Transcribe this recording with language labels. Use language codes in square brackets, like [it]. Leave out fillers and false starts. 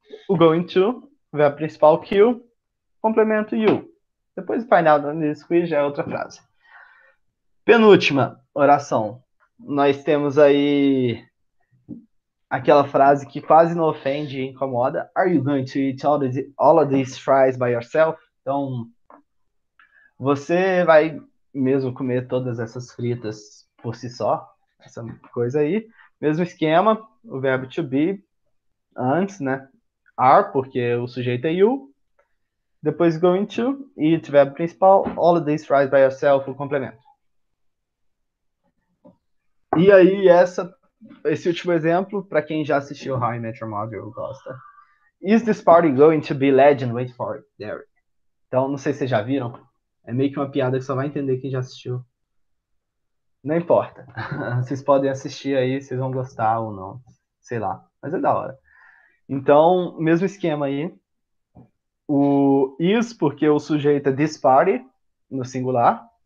[pt] O going to, o verbo principal, kill. Complemento you. Depois, [en] find out on this quiz [pt] já é outra frase. Penúltima oração. Nós temos aí aquela frase que quase não ofende e incomoda. [en] Are you going to eat all of these fries by yourself? [pt] Então, você vai mesmo comer todas essas fritas por si só? Essa coisa aí. Mesmo esquema, o verbo to be antes, né? Are, porque o sujeito é you. Depois going to, e o verbo principal, [en] all of these fries by yourself, [pt] o complemento. E aí, esse último exemplo, para quem já assistiu How I Met Your Mother, eu gosto. [en] Is this party going to be legend? Wait for it, Derek. [pt] Então, não sei se vocês já viram. É meio que uma piada que só vai entender quem já assistiu. Não importa. Vocês podem assistir aí, vocês vão gostar ou não. Sei lá. Mas é da hora. Então, mesmo esquema aí. O is, porque o sujeito é this party, no singular.